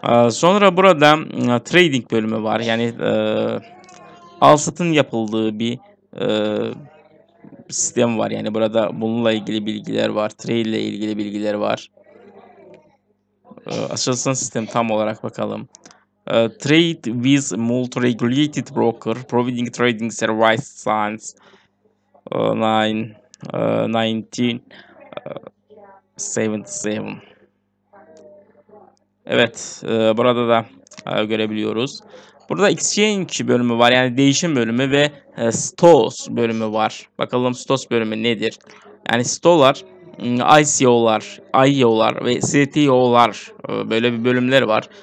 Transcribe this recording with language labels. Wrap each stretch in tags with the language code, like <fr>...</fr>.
<tr>Sonra burada trading bölümü var. Yani al satın yapıldığı bir sistem var. Yani burada bununla ilgili bilgiler var. Trade ile ilgili bilgiler var. Açılsın sistem tam olarak bakalım.</tr> <en>Trade with multi-regulated broker providing trading service since 1977.</en> <tr>Evet, burada da görebiliyoruz. Burada exchange bölümü var, yani değişim bölümü ve stores bölümü var. Bakalım stores bölümü nedir? Yani store'lar, ICO'lar, IEO'lar ve CTO'lar, böyle bir bölümler var.</tr>